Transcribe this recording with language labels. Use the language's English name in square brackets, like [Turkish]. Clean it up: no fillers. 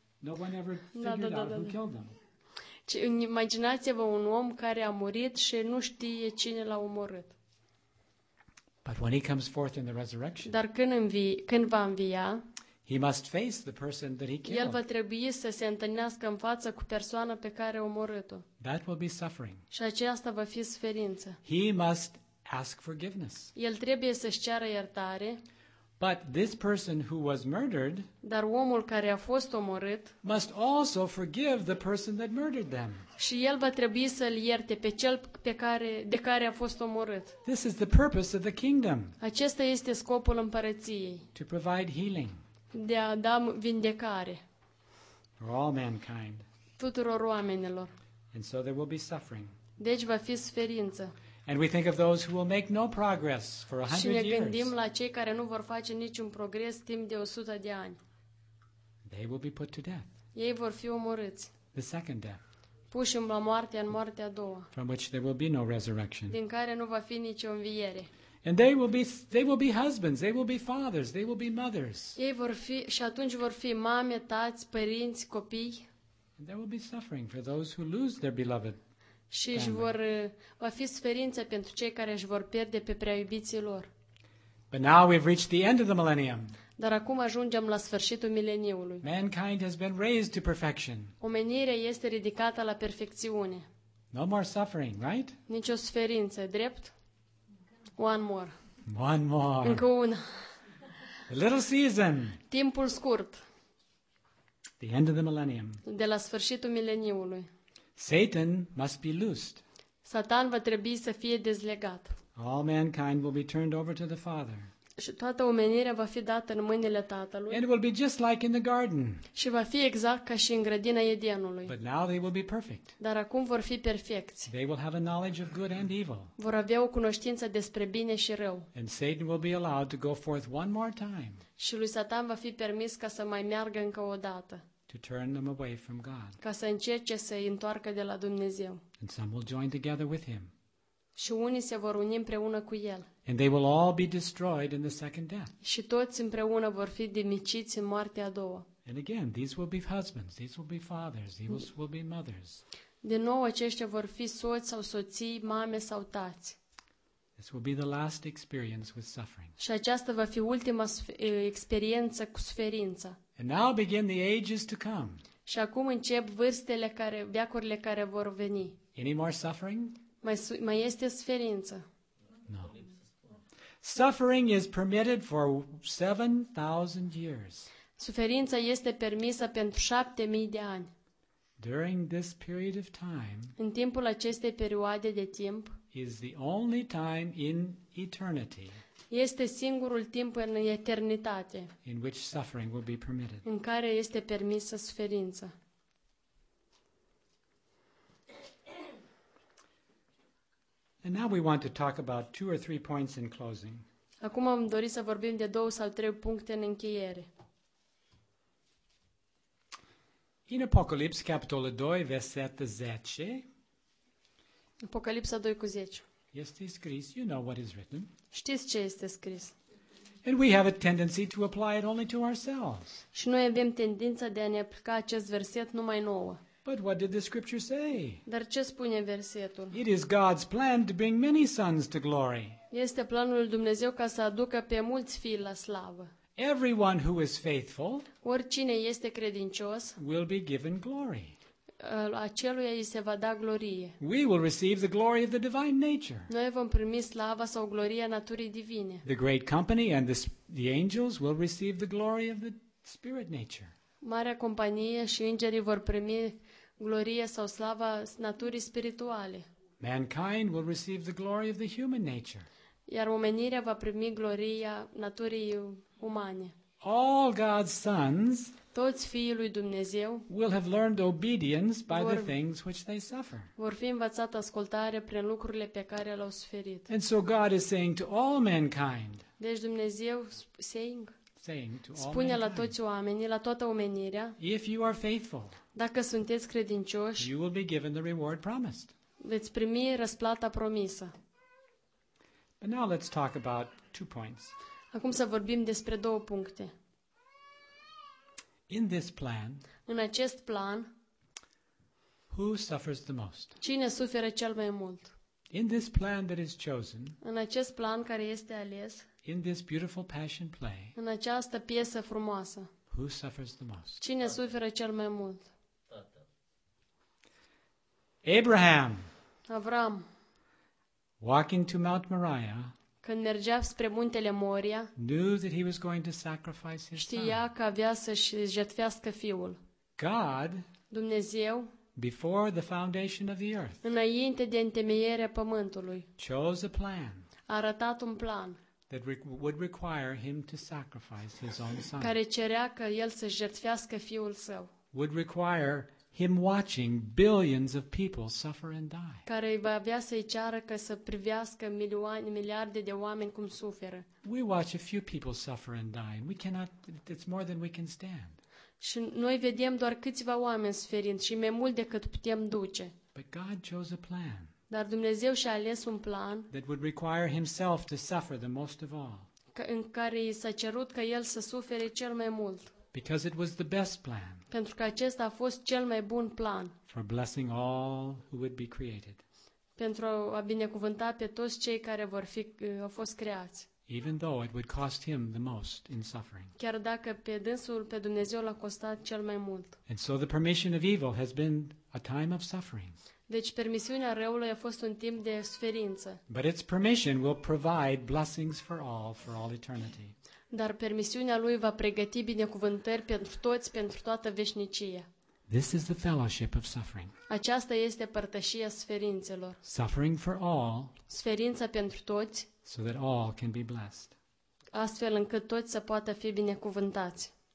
[English] No one ever figured out who killed them. [Romanian] Imaginați-vă un om care a murit și nu știe cine l-a omorât. [English] But when he comes forth in the resurrection, [Romanian] dar când va învia, [English] he must face the person that he killed. [Romanian] El va trebui să se întâlnească în față cu persoana pe care a omorât-o. [English] That will be suffering. [Romanian] Și aceasta va fi suferință. [English] He must ask forgiveness. [Romanian] El trebuie să-și ceară iertare. [English] But this person who was murdered, [Romanian] dar omul care a fost omorât, [English] must also forgive the person that murdered them. [Romanian] Și el va trebui să-l ierte pe cel de care a fost omorât. [English] This is the purpose of the kingdom. [Romanian] Acesta este scopul împărăției. [English] To provide healing. [Romanian] De a da vindecare. [English] For all mankind. [Romanian] Tuturor oamenilor. [English] And so there will be suffering. [Romanian] Deci va fi suferință. [English] And we think of those who will make no progress for 100 years. [Romanian] Și ne gândim la cei care nu vor face niciun progres timp de 100 de ani. [English] They will be put to death. [Romanian] Ei vor fi omorâți. [English] The second death. [Romanian] Puși la moarte în moartea a doua. [English] From which there will be no resurrection. [Romanian] Din care nu va fi nicio înviere. [English] And they will be husbands, they will be fathers, they will be mothers. [Romanian] Ei vor fi și atunci vor fi mame, tați, părinți, copii. [English] And there will be suffering for those who lose their beloved. [Romanian] Și își vor va fi suferință pentru cei care își vor pierde pe prea iubiții lor. [English] But now we've reached the end of the millennium. [Romanian] Dar acum ajungem la sfârșitul mileniului. [English] Mankind has been raised to perfection. [Romanian] Omenirea este ridicată la perfecțiune. [English] No more suffering, right? [Romanian] Nicio suferință, drept? [English] One more. One more. [Romanian] Încă una. [English] A little season. [Romanian] Timpul scurt. [English] The end of the millennium. [Romanian] De la sfârșitul mileniului. [English] Satan must be loosed. [Romanian] Satan va trebui să fie dezlegat. [English] All mankind will be turned over to the Father. [Romanian] Și toată omenirea va fi dată în mâinile Tatălui. [English] And it will be just like in the garden. [Romanian] Și va fi exact ca și în grădina Edenului. [English] But now they will be perfect. [Romanian] Dar acum vor fi perfecți. [English] They will have a knowledge of good and evil. [Romanian] Vor avea o cunoștință despre bine și rău. [English] And Satan will be allowed to go forth one more time. [Romanian] Și lui Satan va fi permis ca să mai meargă încă o dată. [English] To turn them away from God. [Romanian] Ca să încerce să îi întoarcă de la Dumnezeu. [English] And some will join together with him. [Romanian] Și unii se vor uni împreună cu el. [English] And they will all be destroyed in the second death. [Romanian] Și toți împreună vor fi dimiciți în moartea a doua. [English] And again, these will be husbands, these will be fathers, these will be mothers. [Romanian] De nou aceștia vor fi soți sau soții, mame sau tați. [English] This will be the last experience with suffering. [Romanian] Și aceasta va fi ultima experiență cu suferința. [English] And now begin the ages to come. [Romanian] Și acum încep vârstele care, veacurile care vor veni. [English] Any more suffering? [Romanian] Mai este suferință? [English] No. Suffering is permitted for 7,000 years. [Romanian] Suferința este permisă pentru 7,000 de ani. [English] During this period of time, [Romanian] în timpul acestei perioade de timp, [English] is the only time in eternity. [Romanian] Este singurul timp în eternitate. [English] In which suffering will be permitted. [Romanian] În care este permisă suferința. [English] And now we want to talk about two or three points in closing. [Romanian] Acum am dorit să vorbim de două sau trei puncte în încheiere. [English] In Apocalypse, [Romanian] capitolul 2, versetul 10. Apocalipsa 2 cu 10. Este scris, [English] you know what is written. [Romanian] Știți ce este scris. [English] And we have a tendency to apply it only to ourselves. [Romanian] Și noi avem tendința de a ne aplica acest verset numai nouă. [English] But what did the scripture say? [Romanian] Dar ce spune versetul? [English] It is God's plan to bring many sons to glory. [Romanian] Este planul lui Dumnezeu ca să aducă pe mulți fii la slavă. [English] Everyone who is faithful, [Romanian] oricine este credincios, [English] will be given glory. [Romanian] Aceluia îi se va da glorie. [English] We will receive the glory of the divine nature. [Romanian] Noi vom primi slava sau gloria naturii divine. [English] The great company and the angels will receive the glory of the spirit nature. [Romanian] Marea companie și îngerii vor primi gloria sau slava naturii spirituale. [English] Mankind will receive the glory of the human nature. [Romanian] Iar omenirea va primi gloria naturii umane. [English] All God's sons, [Romanian] toți fiii lui Dumnezeu, [English] will have learned obedience by the things which they suffer. [Romanian] Vor fi învățat ascultare prin lucrurile pe care le-au suferit. [English] And so God is saying to all mankind. [Romanian] Deci Dumnezeu [English] saying. Saying to all [Romanian] spune la toți oamenii, la toată omenirea, [English] if you are faithful, [Romanian] dacă sunteți credincioși, [English] you will be given the reward promised. [Romanian] Veți primi răsplata promisă. [English] But now let's talk about two points. [Romanian] Acum să vorbim despre două puncte. [English] In this plan, [Romanian] în acest plan, [English] who suffers the most? [Romanian] Cine suferă cel mai mult? [English] In this plan that is chosen, [Romanian] în acest plan care este ales, [English] in this beautiful passion play, [Romanian] în această piesă frumoasă, [English] who suffers the most? [Romanian] Cine suferă cel mai mult? [English] Abraham. [Romanian] Avram. [English] Walking to Mount Moriah, [Romanian] când mergea spre muntele Moria, [English] knew that he was going to sacrifice his son. [Romanian] Știa că avea să-și jertfească fiul. [English] God, [Romanian] Dumnezeu, [English] before the foundation of the earth, [Romanian] înainte de întemeierea pământului, [English] chose a plan. [Romanian] A arătat un plan. [English] That would require him to sacrifice his own son. [Romanian] Care cerea ca el să jertfească fiul său. [English] Would require him watching billions of people suffer and die. [Romanian] Care va avea să-i ceară ca să privească milioane, miliarde de oameni cum suferă. [English] We watch a few people suffer and die. We cannot, it's more than we can stand. [Romanian] Și noi vedem doar câțiva oameni suferind și mai mult decât putem duce. [English] But God chose a plan. [Romanian] Dar Dumnezeu și-a ales un plan [English] that would require himself to suffer the most of all. [Romanian] În care i s-a cerut ca el să sufere cel mai mult. [English] Because it was the best plan. [Romanian] Pentru că acesta a fost cel mai bun plan. [English] For blessing all who would be created. [Romanian] Pentru a binecuvânta pe toți cei care vor fi au fost creați. [English] Even though it would cost him the most in suffering. [Romanian] Chiar dacă pe dânsul pe Dumnezeu l-a costat cel mai mult. [English] And so the permission of evil has been a time of suffering. [Romanian] Deci permisiunea răului a fost un timp de suferință. [English] But its permission will provide blessings for all eternity. [Romanian] Dar permisiunea lui va pregăti binecuvântări pentru toți pentru toată veșnicia. [English] This is the fellowship of suffering. [Romanian] Aceasta este părtășia suferințelor. [English] Suffering for all. [Romanian] Suferința pentru toți. [English] So that all can be blessed. [Romanian] Astfel încât toți să poată fi binecuvântați.